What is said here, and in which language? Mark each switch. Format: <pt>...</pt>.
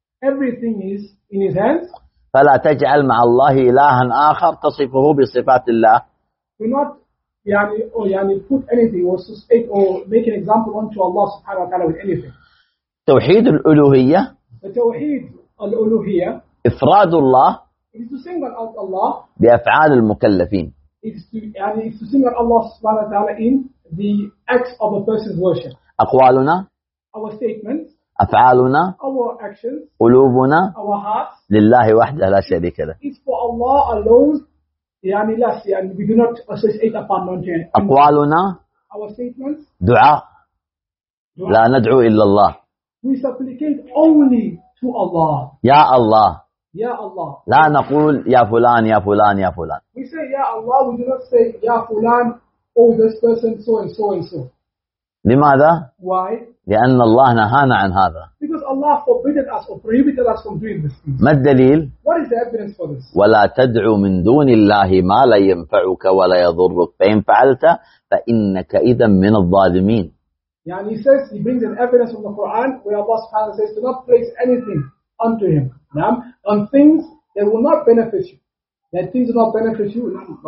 <en>Everything is in His hands.</en> <ar>فلا تجعل مع الله إلها آخر تصفه بصفات الله.</ar> <en>Do not يعني or يعني put anything or suspect or make an example unto Allah سبحانه وتعالى with anything.</en> <ar>توحيد الألوهية. توحيد الألوهية. إفراد الله.</ar> <en>It's to single out Allah.</en> <ar>بأفعال المكلفين.</ar> <en>It's to يعني it's to single Allah سبحانه وتعالى in the acts of a person's worship.</en> <ar>أقوالنا.</ar> <en>Our statements.</en> <ar>أفعالنا.</ar> <en>Our actions.</en> <ar>قلوبنا.</ar> <en>Our hearts.</en> <ar>لله وحده لا شريك له.</ar> <en>It's for Allah alone. يعني لا يعني we do not associate upon non-jinn.</en> <ar>أقوالنا.</ar> <en>Our statements.</en> <ar>دعاء. لا ندعو إلا الله.</ar> <en>We supplicate only to Allah.</en> <ar>يا الله. يا الله. لا نقول يا فلان يا فلان يا فلان.</ar> <en>We say</en> <ar>يا الله.</ar> <en>We do not say</en> <ar>يا فلان.</ar> <en>Oh this person so and so and so.</en> <ar>لماذا؟</ar> <en>Why?</en> <ar>لأن الله نهانا عن هذا.</ar> <en>Because Allah forbidden us or prohibited us from doing this.</en> <ar>ما الدليل؟</ar> <en>What is the evidence for this?</en> <ar>ولا تدعو من دون الله ما لا ينفعك ولا يضرك فإن فعلت فإنك إذا من الظالمين.</ar> <en>يعني he says he brings an evidence from the Quran where Allah subhanahu wa ta'ala says do not place anything unto him. نعم on things that will not benefit you. That things will not benefit you.</en>